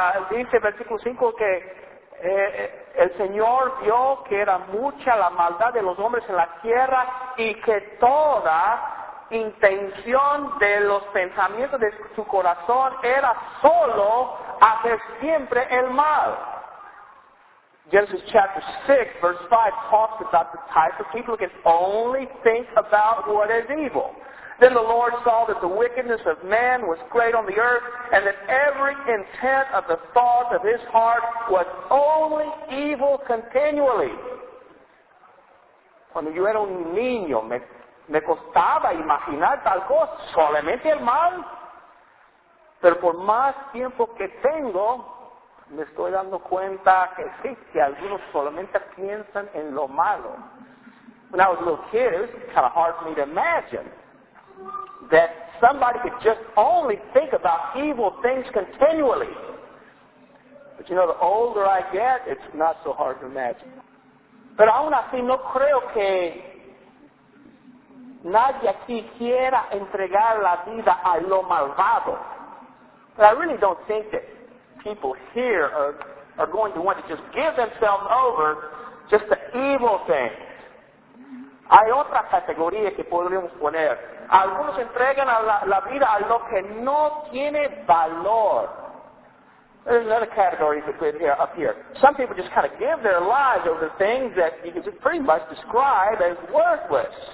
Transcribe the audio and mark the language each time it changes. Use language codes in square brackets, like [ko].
[es] Dice versículo 5 que el Señor vio que era mucha la maldad de los hombres en la tierra y que toda intención de los pensamientos de su corazón era solo hacer siempre el mal. [en] Genesis chapter 6, verse 5 talks about the type of people who can only think about what is evil. Then the Lord saw that the wickedness of man was great on the earth, and that every intent of the thought of his heart was only evil continually. [es] Cuando yo era un niño, me costaba imaginar tal cosa, solamente el mal. Pero por más tiempo que tengo, me estoy dando cuenta que sí, que algunos solamente piensan en lo malo. [en] When I was a little kid, it was kind of hard for me to imagine that somebody could just only think about evil things continually. But you know, the older I get, it's not so hard to imagine. [es] Pero aún así, no creo que nadie aquí quiera entregar la vida a lo malvado. [en] But I really don't think that people here are going to want to just give themselves over just to evil things. [es] Hay otra categoría que podríamos poner. Algunos entregan la vida a lo que no tiene valor. [en] There's another category to put here, up here. Some people just kind of give their lives over things that you can just pretty much describe as worthless.